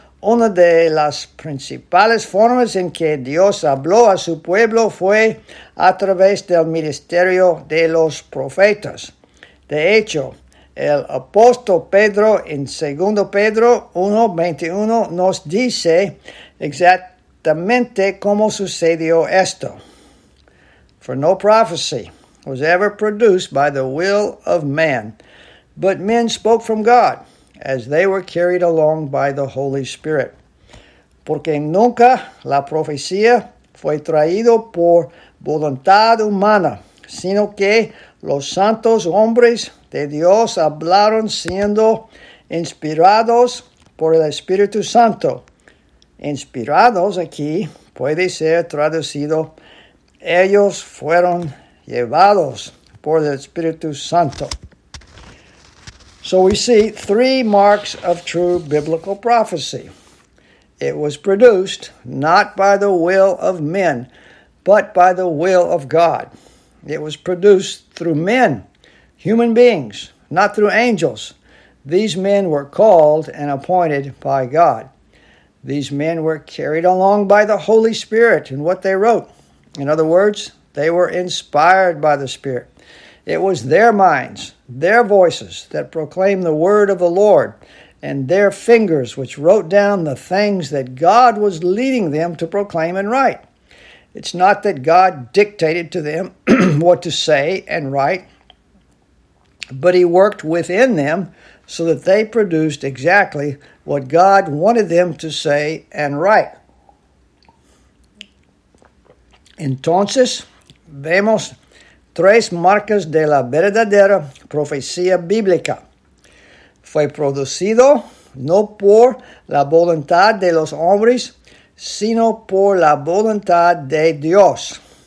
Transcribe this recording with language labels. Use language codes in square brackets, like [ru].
[es] una de las principales formas en que Dios habló a su pueblo fue a través del ministerio de los profetas. De hecho, el apóstol Pedro en 2 Pedro 1:21 nos dice exactamente cómo sucedió esto. [en] For no prophecy was ever produced by the will of man, but men spoke from God as they were carried along by the Holy Spirit. [es] Porque nunca la profecía fue traído por voluntad humana, sino que los santos hombres de Dios hablaron siendo inspirados por el Espíritu Santo. Inspirados aquí puede ser traducido, ellos fueron llevados por el Espíritu Santo. [en] So we see three marks of true biblical prophecy. It was produced not by the will of men, but by the will of God. It was produced through men, human beings, not through angels. These men were called and appointed by God. These men were carried along by the Holy Spirit in what they wrote. In other words, they were inspired by the Spirit. It was their minds, their voices that proclaimed the word of the Lord, and their fingers which wrote down the things that God was leading them to proclaim and write. It's not that God dictated to them what to say and write, but he worked within them so that they produced exactly what God wanted them to say and write. [es] Entonces, vemos tres marcas de la verdadera profecía bíblica. Fue producido no por la voluntad de los hombres, sino por la voluntad de Dios.